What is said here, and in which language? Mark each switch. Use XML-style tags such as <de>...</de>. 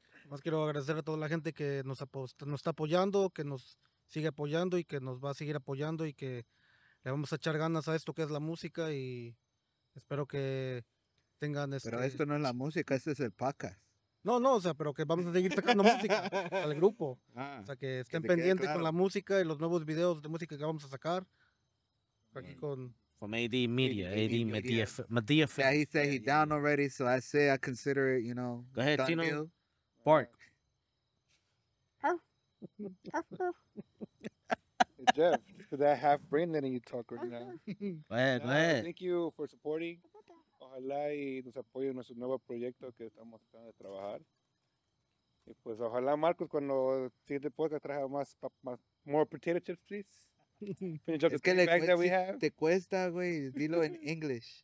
<es>Más quiero agradecer a toda la gente que nos está apoyando, que nos sigue apoyando y que nos va a seguir apoyando y que le vamos a echar ganas a esto que es la música y espero que tengan Pero esto no es la música, este es el podcast. No, o sea, pero que vamos a seguir sacando música al grupo. O sea, que estén pendientes con la música y los nuevos videos de música que vamos a sacar. Aquí con...</es> <en>From AD Media, AD Media. Yeah, he said he's down already, so I say I consider it, you know, go ahead, Tino. Bark. Jeff, that half brain letting you talk right now. Go ahead. Thank you for supporting.</en> <es>Ojalá y nos apoye en nuestro nuevo proyecto que estamos tratando de trabajar. Y pues ojalá, Marcos, cuando siguiente podcast traiga más</es> <en>more potato chips, please. Finish up the bag that we have.</en> <es>Te cuesta, güey. Dilo en English.</es>